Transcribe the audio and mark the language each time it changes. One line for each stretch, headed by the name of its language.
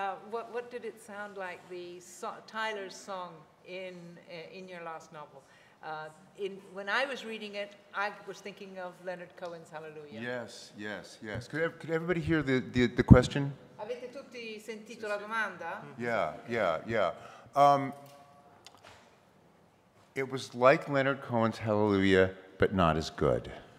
English: What did it sound like the Tyler's song in your last novel? When I was reading it, I was thinking of Leonard Cohen's Hallelujah. Yes, yes, yes. Could everybody hear the question?
Italian: Avete tutti sentito la domanda?
English: Yeah, yeah, yeah. It was like Leonard Cohen's Hallelujah, but not as good.